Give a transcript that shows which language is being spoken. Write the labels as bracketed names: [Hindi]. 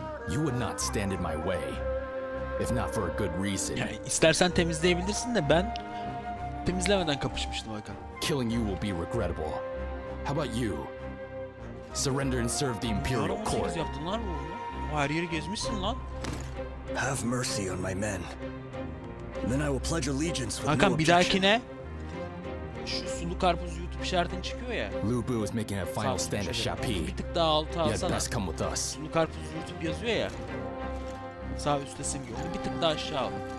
[English] You would not stand in my way if not for a good reason. [Turkish] Yani istersen temizleyebilirsin de ben temizlemeden kapışmıştım Hakan. [English] Killing you will be regrettable. How about you? Surrender and serve the Imperial Court. [Turkish] Yaptın lan bu. Her yeri gezmişsin lan. [English] Have mercy on my men. Then I will pledge allegiance with you. [Turkish] Hakan, bir dahaki ne? Şu sulu karpuz YouTube işaretin çıkıyor ya. [English] Lu Bu is making a final stand at Shapi. [Turkish] Bir tık daha altı alsana. [English] Yes, come with us. [Turkish] Sulu karpuz YouTube yazıyor ya. Sağ üstte simge. Onu bir tık daha aşağı al.